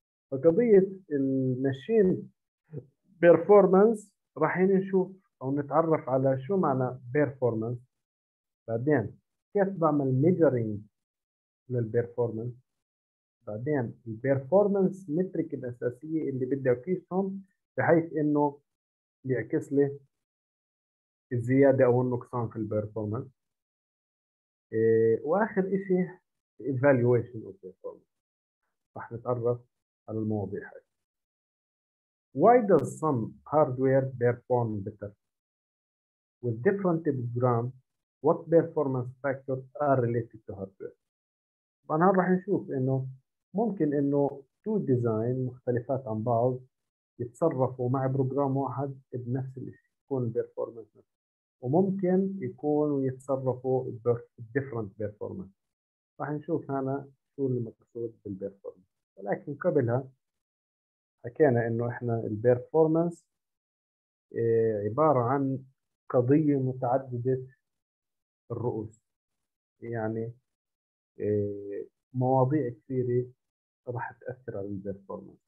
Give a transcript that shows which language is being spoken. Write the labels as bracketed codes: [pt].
[ar] فقضيه الماشين بيرفورمانس راح نشوف او نتعرف على شو معنى بيرفورمانس، بعدين كيف بعمل ميجرينج للبيرفورمانس، بعدين البيرفورمانس متريك الاساسيه اللي بدي اقيسهم بحيث انه يعكس لي الزياده او النقصان في البيرفورمانس، واخر شيء ايفالويشن اوف بيرفورمانس. راح نتعرف على المواضيع هاي. [en] Why does some hardware perform better with different program? What performance factors are related to hardware? [ar] طبعا راح نشوف انه ممكن انه تو ديزاين مختلفات عن بعض يتصرفوا مع بروجرام واحد بنفس الشيء يكون بيرفورمانس، وممكن يكونوا يتصرفوا بديفرنت بيرفورمانس. راح نشوف هنا شو المقصود بالبيرفورمانس، ولكن قبلها حكينا انه احنا البيرفورمانس عباره عن قضيه متعدده الرؤوس، يعني مواضيع كثيره راح تأثر على البيرفورمانس.